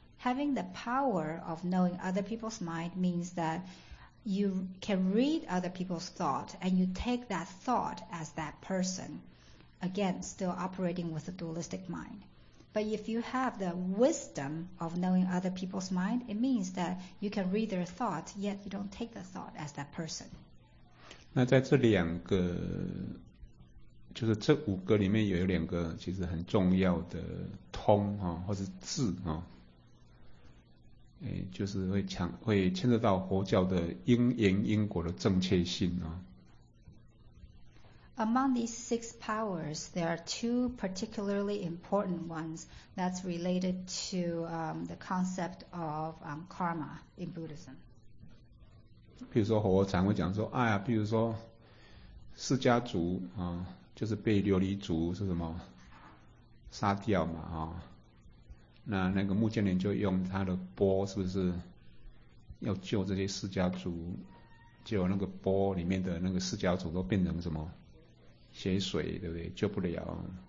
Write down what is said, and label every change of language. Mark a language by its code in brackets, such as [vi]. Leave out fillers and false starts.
[en] Having the power of knowing other people's mind means that you can read other people's thought and you take that thought as that person. Again, still operating with a dualistic mind. But if you have the wisdom of knowing other people's mind, it means that you can read their thought, yet you don't take the thought as that person. [zh] 那在这两个，就是这五个里面有两个其实很重要的通啊，或是智啊。就是会牵涉到佛教的因缘因果的正确性啊。 [en] Among these six powers, there are two particularly important ones that's related to the concept of karma in Buddhism. [zh] 比如说我常会讲说，哎呀，比如说释迦族啊，就是被琉璃族是什么杀掉嘛啊。那个目犍连就用他的钵，是不是要救这些释迦族，结果那个钵里面的那个释迦族都变成什么血水，对不对？救不了。